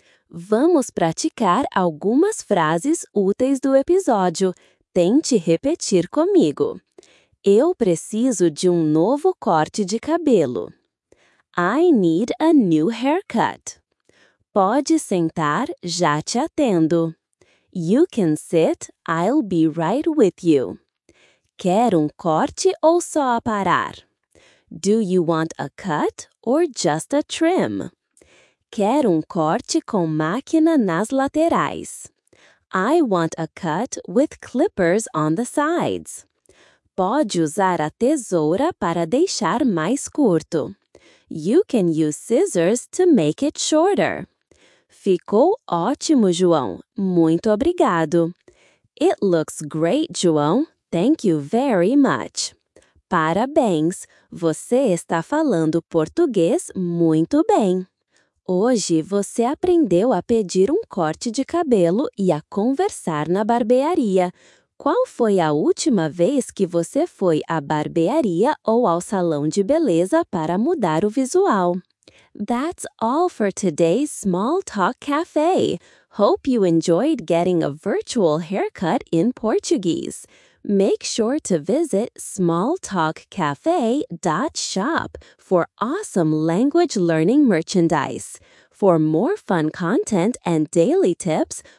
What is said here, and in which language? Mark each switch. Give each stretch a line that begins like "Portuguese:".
Portuguese: Vamos praticar algumas frases úteis do episódio. Tente repetir comigo. Eu preciso de novo corte de cabelo.
English: I need a new haircut.
Portuguese: Pode sentar, já te atendo.
English: You can sit, I'll be right with you.
Portuguese: Quer corte ou só aparar?
English: Do you want a cut or just a trim?
Portuguese: Quer corte com máquina nas laterais.
English: I want a cut with clippers on the sides.
Portuguese: Pode usar a tesoura para deixar mais curto.
English: You can use scissors to make it shorter.
Portuguese: Ficou ótimo, João. Muito obrigado.
English: It looks great, João. Thank you very much.
Portuguese: Parabéns. Você está falando português muito bem. Hoje, você aprendeu a pedir corte de cabelo e a conversar na barbearia. Qual foi a última vez que você foi à barbearia ou ao salão de beleza para mudar o visual?
English: That's all for today's Small Talk Cafe. Hope you enjoyed getting a virtual haircut in Portuguese. Make sure to visit smalltalkcafe.shop for awesome language learning merchandise. For more fun content and daily tips,